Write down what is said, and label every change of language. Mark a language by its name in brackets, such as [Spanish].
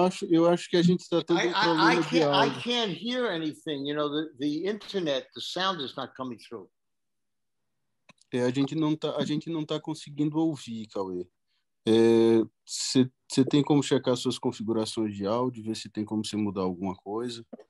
[Portuguese] Eu acho que a gente está tendo problema de áudio. [English] I can't hear anything. You know, the internet, the sound is not coming through. [Portuguese] É, a gente não tá conseguindo ouvir, Cauê. Você tem como checar suas configurações de áudio, ver se tem como você mudar alguma coisa?